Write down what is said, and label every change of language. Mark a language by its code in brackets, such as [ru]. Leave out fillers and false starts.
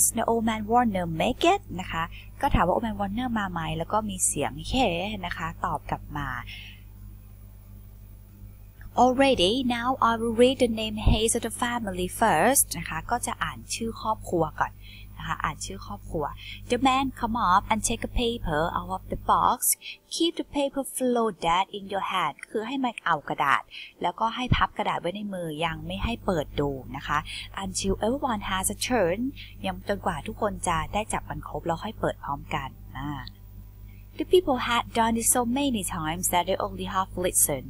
[en] The old man Warner make it [th] นะคะก็ถามว่า old man Warner มาไหมแล้วก็มีเสียงแค่นะคะตอบกลับมา [en] already now I will read the name Hayes of the family first [th] นะคะก็จะอ่านชื่อครอบครัวก่อนอ่านชื่อครอบครัว [en] The man come up and take a paper out of the box. Keep the paper fold that in your hand. [th] คือให้มาเอากระดาษแล้วก็ให้พับกระดาษไว้ในมือยังไม่ให้เปิดดูนะคะ [en] Until everyone has a turn. [th] ยังจนกว่าทุกคนจะได้จับมันครบแล้วค่อยเปิดพร้อมกันนะ [en] The people had done it so many times that they only half listened.